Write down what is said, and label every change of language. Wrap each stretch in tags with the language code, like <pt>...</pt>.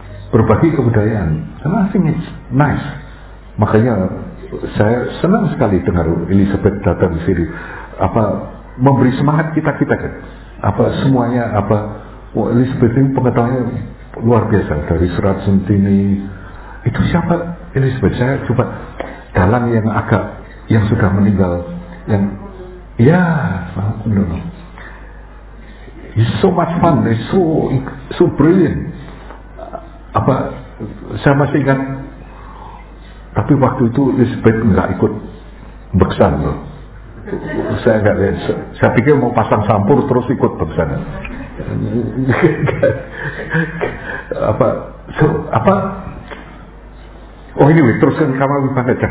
<id>Berbagi kebudayaan. Karena</id> <en>I think it's nice.</en> <id>Makanya saya senang sekali dengar Elizabeth datang di sini apa memberi semangat kita kan. Apa semuanya apa Elizabeth ini pengetahuannya luar biasa dari Surat Sentini itu siapa Elizabeth, saya coba dalang yang agak yang sudah meninggal yang ya no.</id> <en>It's so much fun, it's so brilliant.</en> <id>Apa saya masih ingat tapi waktu itu Elizabeth enggak ikut beksan loh. Saya enggak lihat. Saya pikir mau pasang sampur terus ikut bersama. Apa? So, apa?</id> <en>Oh anyway,</en> <id>teruskan kamu bicara.</id>